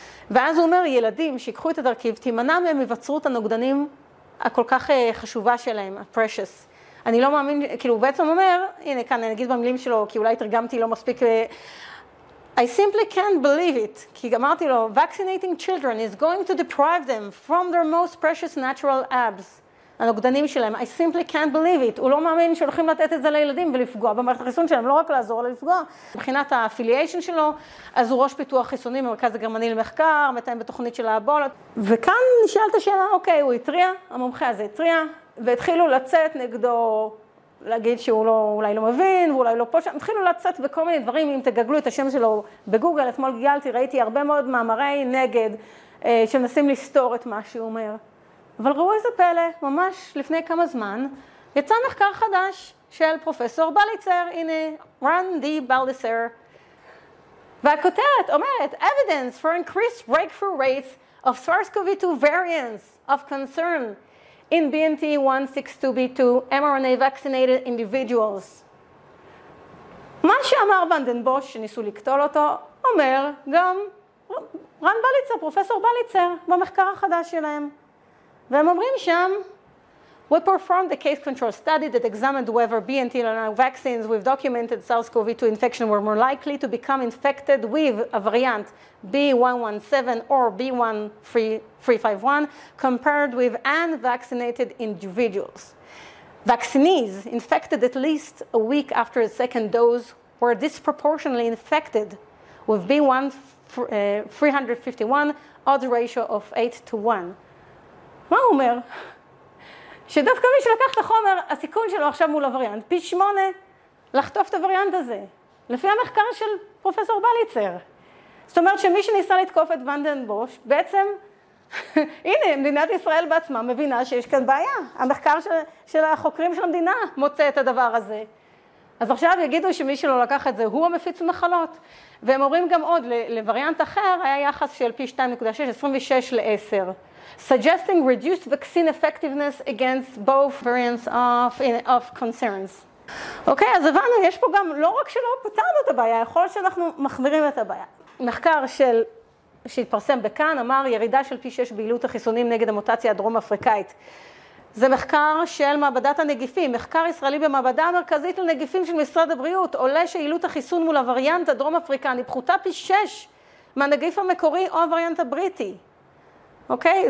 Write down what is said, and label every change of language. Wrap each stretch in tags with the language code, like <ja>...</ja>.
<he>ואז הוא אומר, ילדים שיקחו את התרכיב, תימנע מהם מבצרות הנוגדנים הכל כך חשובה שלהם, ה-precious. אני לא מאמין, כאילו הוא בעצם אומר, הנה כאן אני אגיד במילים שלו, כי אולי התרגמתי לא מספיק,</he> <en>I simply can't believe it,</en> <he>כי אמרתי לו,</he> <en>vaccinating children is going to deprive them from their most precious natural abs.</en> <he>הנוגדנים שלהם,</he> <en>I simply can't believe it.</en> <he>הוא לא מאמין שהולכים לתת את זה לילדים ולפגוע במערכת החיסון שלהם, לא רק לעזור אלא לפגוע. מבחינת האפיליאשן שלו, אז הוא ראש פיתוח חיסונים במרכז הגרמני למחקר, מתאם בתוכנית של האבולות. וכאן נשאלת השאלה, אוקיי, הוא התריע, המומחה הזה התריע, והתחילו לצאת נגדו, להגיד שהוא לא, אולי לא מבין, ואולי לא פה, התחילו לצאת בכל מיני דברים, אם תגגלו את השם שלו בגוגל, אתמול גילתי, ראיתי הרבה מאוד מאמרי נגד, שמנסים לסתור את מה שהוא אומר. אבל ראו איזה פלא, ממש לפני כמה זמן, יצא מחקר חדש של פרופסור בליצר, הנה, רן די בליצר, והכותרת אומרת,</he> <en>evidence for increased breakthrough rates of SARS-CoV-2 variants of concern in BNT162B2 mRNA vaccinated individuals.</en> <he>מה שאמר ונדנבוש, שניסו לקטול אותו, אומר גם רן בליצר, פרופסור בליצר, במחקר החדש שלהם. והם אומרים שם,</he> <en>we performed a case control study that examined whether BNT vaccines with documented SARS-CoV-2 infection were more likely to become infected with a variant B117 or B1351 compared with unvaccinated individuals. Vaccinees infected at least a week after a second dose were disproportionately infected with B1351, odds ratio of 8-1.</en> <he>מה הוא אומר? שדווקא מי שלקח את החומר, הסיכון שלו עכשיו מול הווריאנט, פי 8 לחטוף את הווריאנט הזה. לפי המחקר של פרופסור בליצר. זאת אומרת שמי שניסה לתקוף את ונדנבוש, בעצם, הנה, מדינת ישראל בעצמה מבינה שיש כאן בעיה. המחקר של החוקרים של המדינה מוצא את הדבר הזה. אז עכשיו יגידו שמי שלא לקח את זה, הוא המפיץ מחלות. והם אומרים גם עוד, לווריאנט אחר, היה יחס של פי 2.6, 26 ל-10.</he> <en>Suggesting reduced vaccine effectiveness against both variants of concerns.</en> <he>אוקיי, אז הבנו, יש פה גם, לא רק שלא פתרנו את הבעיה, יכול שאנחנו מחמירים את הבעיה. מחקר של, שהתפרסם בכאן, אמר ירידה של פי 6 בעילות החיסונים נגד המוטציה הדרום אפריקאית. זה מחקר של מעבדת הנגיפים, מחקר ישראלי במעבדה המרכזית לנגיפים של משרד הבריאות, עולה שעילות החיסון מול הווריאנט הדרום אפריקני, פחותה פי 6 מהנגיף המקורי או הווריאנט הבריטי. אוקיי?</he>